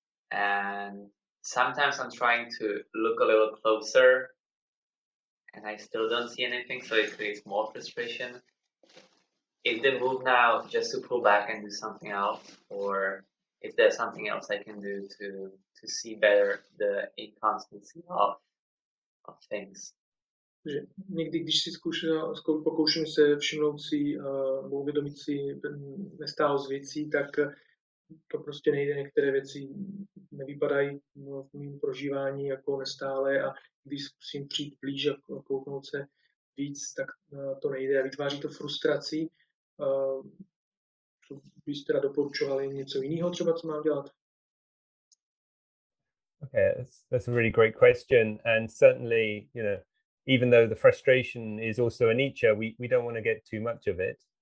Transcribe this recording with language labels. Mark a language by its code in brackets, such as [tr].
[en] And sometimes I'm trying to look a little closer and I still don't see anything, so it creates more frustration. Is the move now just to pull back and do something else, or is there something else I can do to see better the inconstancy of things? [cs] Někdy, když si pokouším se všimnout si nebo uvědomit si nestálost věcí, tak to prostě nejde. Některé věci nevypadají v mým prožívání jako nestálé, a když zkusím přijít blíž a kouknout se víc, tak to nejde a vytváří to frustraci. To bys teda doporučovali něco jiného třeba, co mám dělat? [en] Okay, that's a really great question, and certainly, you know, even though the frustration is also a Nietzsche, we don't want to get too much of it.